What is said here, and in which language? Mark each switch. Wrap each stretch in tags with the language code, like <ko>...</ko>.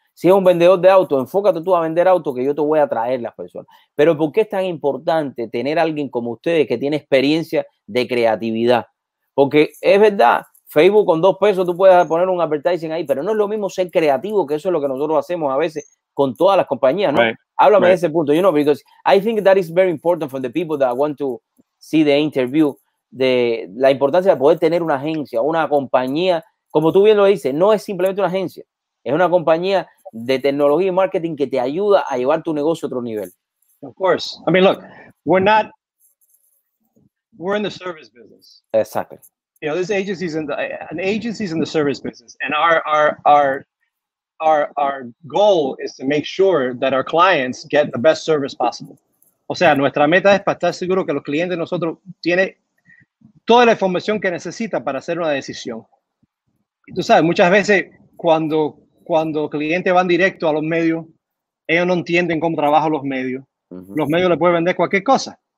<es>Si es un vendedor de auto, enfócate tú a vender auto que yo te voy a traer las personas. Pero ¿por qué es tan importante tener a alguien como ustedes que tiene experiencia de creatividad? Porque es verdad, Facebook con 2 pesos tú puedes poner un advertising ahí, pero no es lo mismo ser creativo, que eso es lo que nosotros hacemos a veces con todas las compañías, ¿no?</es> <en>Right.</en> <es>Háblame</es> <en>right.</en> <es>De ese punto.</es> <en>You know, because I think that is very important for the people that want to see the interview.</en> <es>De la importancia de poder tener una agencia, una compañía, como tú bien lo dices, no es simplemente una agencia, es una compañía de tecnología y marketing que te ayuda a llevar tu negocio a otro nivel.</es> <en>Of course. I mean, look, we're in the service business. Exactly. You know, this agency's in the service business, and our goal is to make sure that our clients get the best service possible.</en> <es>O sea, nuestra meta es para estar seguro que los clientes nosotros tienen toda la información que necesita para hacer una decisión. Tú sabes, muchas veces cuando clientes van directo a los medios, ellos no entienden cómo trabajan los medios. Los medios les pueden vender cualquier cosa.</es>